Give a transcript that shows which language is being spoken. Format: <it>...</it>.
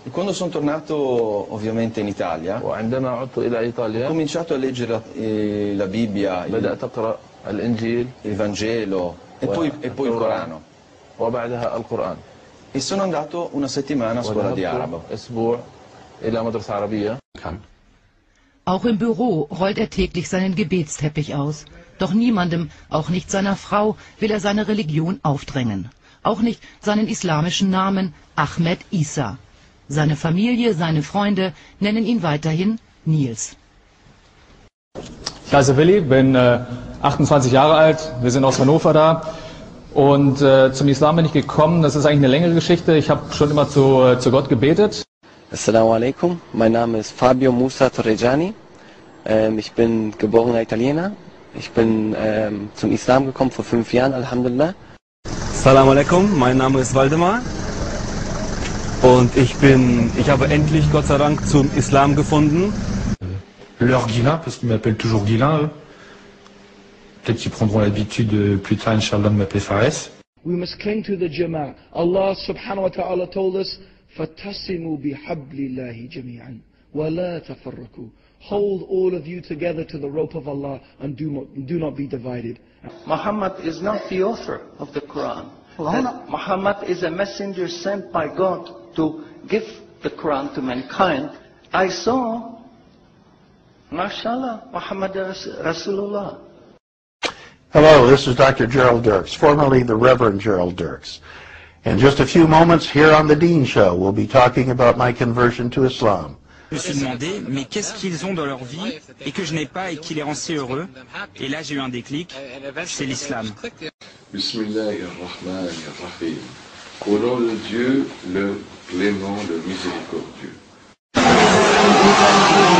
<it>Quando sono tornato ovviamente in Italia, ho cominciato a leggere la Bibbia, il Vangelo e poi il Corano. E sono andato una settimana a scuola di arabo.</it> <de>Auch im Büro rollt er täglich seinen Gebetsteppich aus. Doch niemandem, auch nicht seiner Frau, will er seine Religion aufdrängen. Auch nicht seinen islamischen Namen Ahmed Isa. Seine Familie, seine Freunde nennen ihn weiterhin Nils. Ich heiße Willi, bin 28 Jahre alt, wir sind aus Hannover da. Und zum Islam bin ich gekommen, das ist eigentlich eine längere Geschichte. Ich habe schon immer zu Gott gebetet. Assalamu alaikum. Mein Name ist Fabio Musa Torrejani. Ich bin geborener Italiener. Ich bin zum Islam gekommen vor 5 Jahren, alhamdulillah. Assalamu alaikum. Mein Name ist Waldemar. Und ich habe endlich, Gott sei Dank, zum Islam gefunden.</de> <fr>Leur Guilain, parce qu'ils m'appellent toujours Guilain, eux. Peut-être qu'ils prendront l'habitude plus tard, inshallah, de m'appeler Fares.</fr> <en>We must cling to the Jama'ah. Allah subhanahu wa ta'ala told us,</en> <ar>فَتَصِمُوا بِحَبْلِ اللَّهِ جَمِيعًا وَلَا تَفَرَّكُوا.</ar> <en>Hold all of you together to the rope of Allah and do not be divided. Muhammad is not the author of the Quran. Muhammad is a messenger sent by God to give the Quran to mankind. I saw, mashallah, Muhammad Rasulullah. Hello, this is Dr. Gerald Dirks, formerly the Reverend Gerald Dirks. In just a few moments, here on the Dean Show, we'll be talking about my conversion to Islam.</en> <fr>Je me suis demandé, mais qu'est-ce qu'ils ont dans leur vie et que je n'ai pas et qui les rend si heureux? Et là, j'ai eu un déclic, c'est l'islam.</fr> <ar>Bismillahirrahmanirrahim.</ar> <fr>Au nom de Dieu, le clément, le miséricordieux.</fr>